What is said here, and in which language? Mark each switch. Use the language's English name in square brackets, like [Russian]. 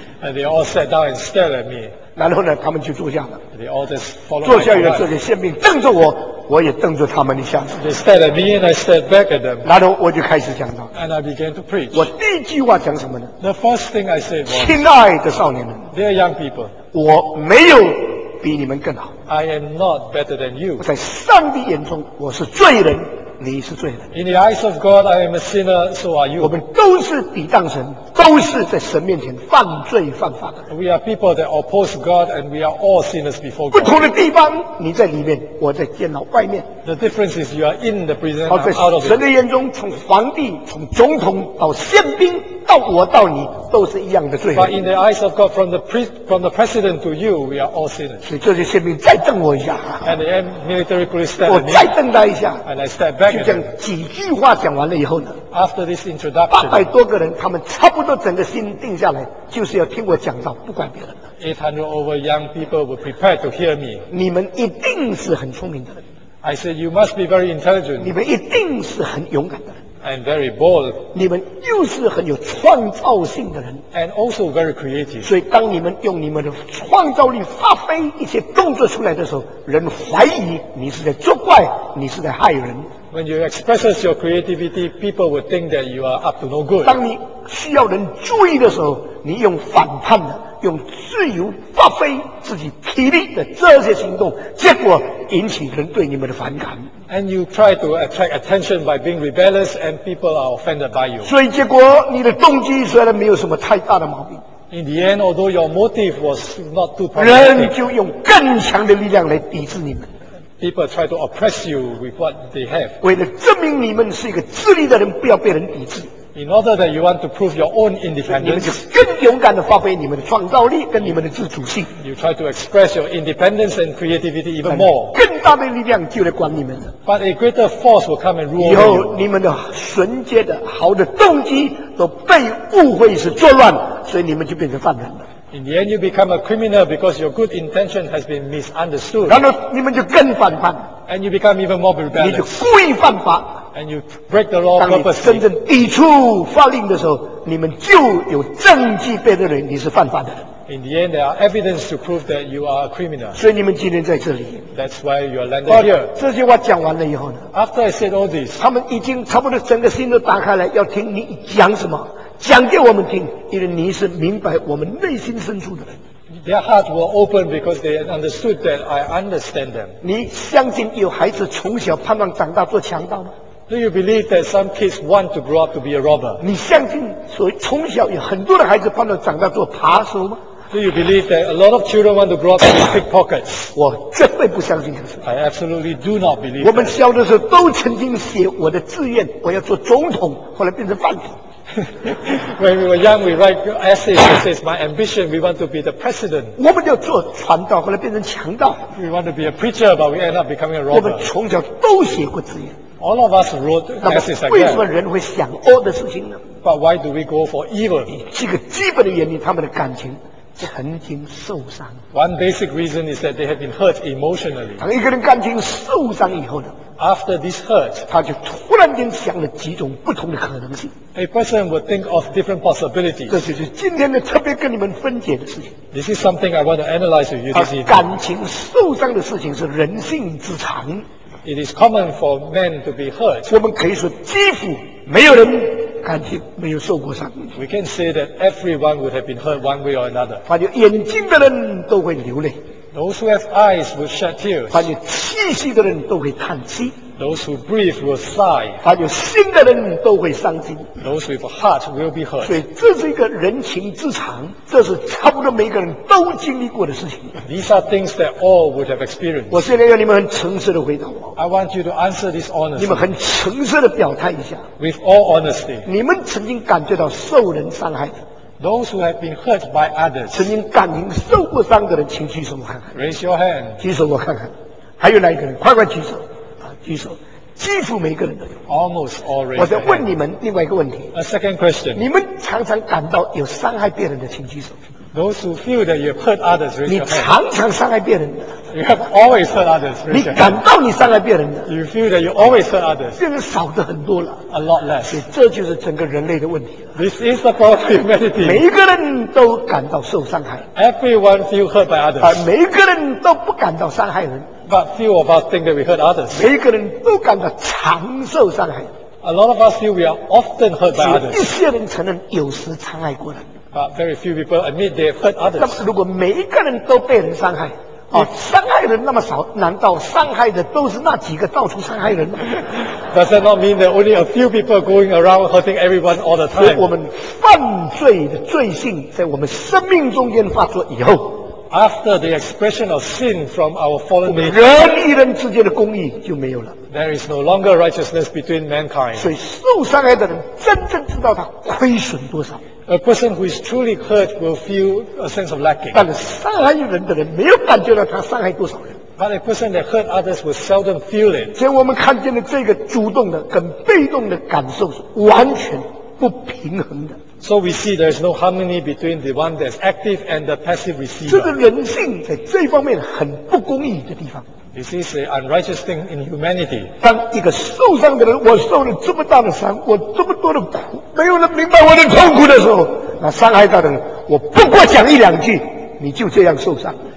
[English] ？And they all sat down and stared at me. [Chinese] 然后呢，他们就坐下了。 [English] They all just followed my command. [Chinese] 坐下以后，这些宪兵瞪着我，我也瞪着他们一下。 [English] They stared at me and I stared back at them. [Chinese] 然后我就开始讲道。 [English] And I began to preach. [Chinese] 我第一句话讲什么呢 [English] ？The first thing I said was, [Chinese] 亲爱的少年们 [English] ，Dear young people, [Chinese] 我没有比你们更好。 [English] I am not better than you. [Chinese] 在上帝眼中，我是罪人，你是罪人。 [English] In the eyes of God, I am a sinner, so are you. [Chinese] 我们都是抵挡神，都是在神面前犯罪犯法的。 [English] We are people that oppose God, and we are all sinners before God. [Chinese] 不同的地方，你在里面，我在监牢外面。 [English] The difference is you are in the prison, I'm out of it. [Chinese] 神的眼中，从皇帝、从总统到宪兵。到我到你都是一样的罪人。 [English] But in the eyes of God, from the president to you, we are all sinners. [Chinese] 所以这些宪兵再瞪我一下。 [English] And the military police stand. [Chinese] 我再瞪他一下。 [English] And I stand back. [Chinese] 就这样几句话讲完了以后呢 [English] ？After this introduction, [Chinese] 八百多个人，他们差不多整个心定下来，就是要听我讲道，不管别人。 [English] 800 over young people were prepared to hear me. [Chinese] 你们一定是很聪明的。 [English] I said you must be very intelligent. [Chinese] 你们一定是很勇敢的。 [English] And very bold. [Chinese] 你们又是很有创造性的人。 [English] And also very creative. [Chinese] 所以当你们用你们的创造力发挥一些动作出来的时候，人怀疑你是在作怪，你是在害人。 [English] When you express your creativity, people would think that you are up to no good. [Chinese] 当你需要人注意的时候，你用反叛的，用自由发挥自己体力的这些行动，结果引起人对你们的反感。 [English] And you try to attract attention by being rebellious, and people are offended by you. [Chinese] 所以结果你的动机虽然没有什么太大的毛病。 [English] In the end, although your motive was not too powerful, [Chinese] 人就用更强的力量来抵制你们。 [English] People try to oppress you with what they have. [Chinese] 为了证明你们是一个自立的人，不要被人抵制。 [English] In order that you want to prove your own independence, [Chinese] 你们就更勇敢地发挥你们的创造力跟你们的自主性。 [English] You try to express your independence and creativity even more. [Chinese] 更大的力量就来管你们了。 [English] But a greater force will come and rule you. [Chinese] 以后你们的纯洁的好的动机都被误会是作乱，所以你们就变成犯人了。 [English] In the end, you become a criminal because your good intention has been misunderstood. [Chinese] 然后你们就更反叛。 [English] And you become even more rebellious. [Chinese] 你就故意犯法。 [English] And you break the law purposely. [Chinese] 当你真正抵触法令的时候，你们就有证据辨认你是犯法的。 [English] In the end, there are evidence to prove that you are a criminal. [Chinese] 所以你们今天在这里。 [English] That's why you are landed here. [Chinese] 这句话讲完了以后呢 [English] ？After I said all this, [Chinese] 他们已经差不多整个心都打开来，要听你讲什么，讲给我们听，因为你是明白我们内心深处的人。 [English] Their hearts were open because they understood that I understand them. [Chinese] 你相信有孩子从小盼望长大做强盗吗？ [English] Do you believe that some kids want to grow up to be a robber? [Chinese] 你相信所以从小有很多的孩子盼望长大做扒手吗 [English] ？Do you believe that a lot of children want to grow up to be pickpockets? [Chinese] 我绝对不相信这个。 [English] I absolutely do not believe. [Chinese] 我们小的时候都曾经写我的志愿，我要做总统，后来变成犯人。 [English] When we were young, we write essays that says, "My ambition, we want to be the president." [Chinese] 我们要做传道，后来变成强盗。 [English] We want to be a preacher, but we end up becoming a robber. [Chinese] 我们从小都写过志愿。 [English] All of us wrote essays like that. [Chinese] 为什么人会想恶的事情呢 [English] ？But why do we go for evil? [Chinese] 这个基本的原因，他们的感情曾经受伤。 [English] One basic reason is that they have been hurt emotionally. [Chinese] 当一个人感情受伤以后呢 [English] ？After this hurt, [Chinese] 他就突然间想了几种不同的可能性。 [English] A person would think of different possibilities. [Chinese] 这就是今天的特别跟你们分解的事情。 [English] This is something I want to analyze with you this evening. [Chinese] 感情受伤的事情是人性之常。 [English] It is common for men to be hurt. [Chinese] 我们可以说几乎没有人感情没有受过伤。 [English] We can say that everyone would have been hurt one way or another. [Chinese] 凡有眼睛的人都会流泪。 [English] Those who have eyes will shed tears. [Chinese] 凡有气息的人都会叹气。 [English] Those who breathe will sigh. [Chinese] 凡有心的人都会伤心。 [English] Those with a heart will be hurt. [Chinese] 所以这是一个人情之常，这是差不多每个人都经历过的事情。 [English] These are things that all would have experienced. [Chinese] 我现在要你们很诚实的回答我。 [English] I want you to answer this honestly. [Chinese] 你们很诚实的表态一下。 [English] With all honesty. [Chinese] 你们曾经感觉到受人伤害的。 [English] Those who have been hurt by others. [Chinese] 曾经感情受过伤的人，请举手我看看。 [English] Raise your hand. [Chinese] 举手我看看。还有哪一个人？快快举手。举手，几乎每个人都有。 [English] Almost all right. [Chinese] 我在问你们另外一个问题。 [English] A second question. [Chinese] 你们常常感到有伤害别人的，请举手。 [English] Those who feel that you hurt others, raise your hand. [Chinese] 你常常伤害别人的。 [English] You have always hurt others, raise your hand. [Chinese] 你感到你伤害别人的。 [English] You feel that you always hurt others. [Chinese] 变得少的很多了。 [English] A lot less. [Chinese] 这就是整个人类的问题了。 [English] This is the problem of humanity. [Chinese] 每一个人都感到受伤害。 [English] Everyone feel hurt by others. [Chinese] 每一个人都不感到伤害人。 [English] But few of us think that we hurt others. [Chinese] 每一个人都感到常受伤害。 [English] A lot of us feel we are often hurt by others. [Chinese] 只有一些人承认有时伤害过人。 [English] But very few people admit they hurt others. [Chinese] 那么如果每一个人都被人伤害，伤害人那么少，难道伤害的都是那几个到处伤害人吗？ [English] Does that not mean that only a few people going around hurting everyone all the time? [Chinese] 所以我们犯罪的罪性在我们生命中间发作以后， [English] After the expression of sin from our fallen nature, [Chinese] 人与人之间的公义就没有了。 [English] There is no longer righteousness between mankind. [Chinese] 所以受伤害的人真正知道他亏损多少。 [English] A person who is truly hurt will feel a sense of lacking. [Chinese] 但伤害人的人没有感觉到他伤害多少人。 [English] But a person that hurt others will seldom feel it. [Chinese] 所以我们看见了这个主动的跟被动的感受是完全不平衡的。 [English] So we see there is no harmony between the one that's active and the passive receiver. [Chinese] 这个人性在这方面很不公义的地方。 [English] This is an unrighteous thing in humanity. [Chinese] 当一个受伤的人，我受了这么大的伤，我这么多的苦，没有人明白我的痛苦的时候，那伤害他的人，我不过讲一两句，你就这样受伤。